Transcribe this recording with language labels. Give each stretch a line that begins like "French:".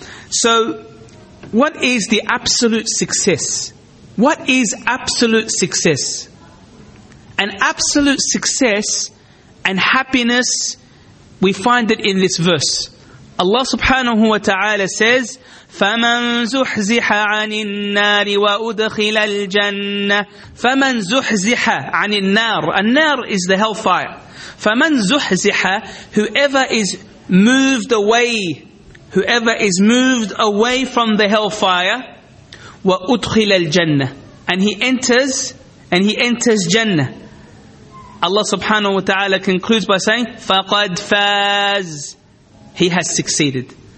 English: So, what is the absolute success? What is absolute success? An absolute success and happiness, we find it in this verse.
Arabic: Allah subhanahu wa ta'ala says, فَمَنْ زُحْزِحَ عَنِ النَّارِ وَأُدْخِلَ الْجَنَّةِ فَمَنْ زُحْزِحَ عَنِ النَّارِ النَّار
English: is the hellfire.
Arabic: فَمَنْ زُحْزِحَ
English: Whoever is moved away, whoever is moved away from the hellfire,
Arabic: وَأُدْخِلَ الْجَنَّةِ
English: And he enters Jannah. Allah subhanahu wa ta'ala concludes by saying,
Arabic: فَقَدْ فَازْ
English: He has succeeded.